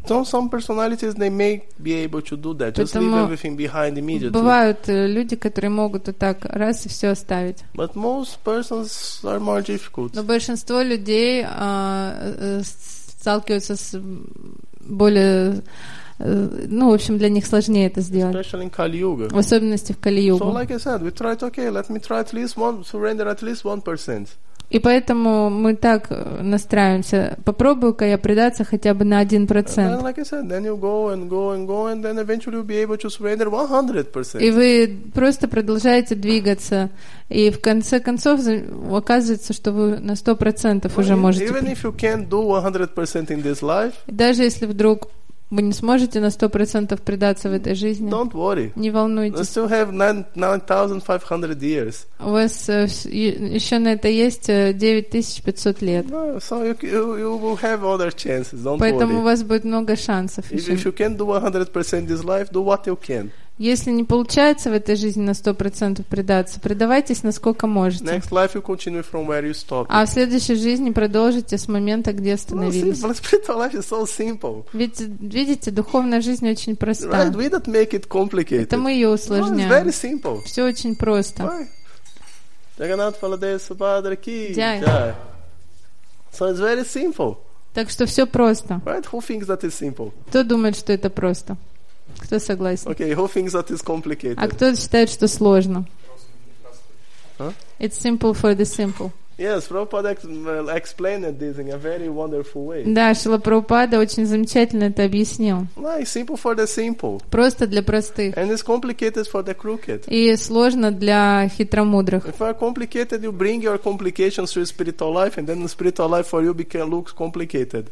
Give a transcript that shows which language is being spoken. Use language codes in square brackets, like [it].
[en] Some personalities they may be able to do that, just leave everything behind immediately. [ru] Бывают люди, которые могут вот так раз и все оставить. [en] But most persons are more difficult. [ru] Но большинство людей сталкиваются с более, ну, в общем, для них сложнее это сделать. [en] Especially in Kali-Yuga. [ru] В особенности в Кали-Югу. [en] So, like I said, we tried, okay, let me try at least one, surrender at least 1%. [ru] И поэтому мы так настраиваемся. Попробую-ка я предаться хотя бы на 1%. [en] Then, like I said, then you go and go and go, and then eventually you'll be able to surrender 100%. [ru] И вы просто продолжаете двигаться, и в конце концов оказывается, что вы на 100% уже можете. [en] Even if you can't do 100% in this life, [ru] даже если вдруг вы не сможете на 100% предаться в этой жизни. [en] Don't worry. [ru] Не волнуйтесь. [en] You still have 9,500 years. [ru] У вас еще на это есть 9500 лет. [en] No, so you will have other chances. Don't [ru] Поэтому у вас будет много шансов. [en] If you can't do 100% this life, do what you can. [ru] Если не получается в этой жизни на 100% предаться, предавайтесь насколько можете. [en] Next life you continue from where you stopped. [ru] А в следующей жизни продолжите с момента, где остановились. [en] Well, spiritual life is so simple. [ru] Ведь видите, духовная жизнь очень проста. [en] Right, we don't make it complicated. [ru] Это мы ее усложняем. [en] No, it's very simple. [ru] Все очень просто. Джаганнат Баладея Субхадра ки джай. [en] So it's very simple. [ru] Так что все просто. [en] Right? Who thinks that is simple? [ru] Кто думает, что это просто? Кто согласен? [en] Okay, who thinks that is complicated? [ru] А кто считает, что сложно? [en] Huh? It's simple for the simple. Yes, Prabhupada explained this in a very wonderful way. [ru] Да, Шрила Прабхупада очень замечательно это объяснил. [en] Like simple for the simple. [ru] Просто для простых. [en] And it's complicated for the crooked. [ru] И сложно для хитромудрых. [en] If it's complicated, you bring your complications to spiritual life, and then the spiritual life for you becomes looks complicated.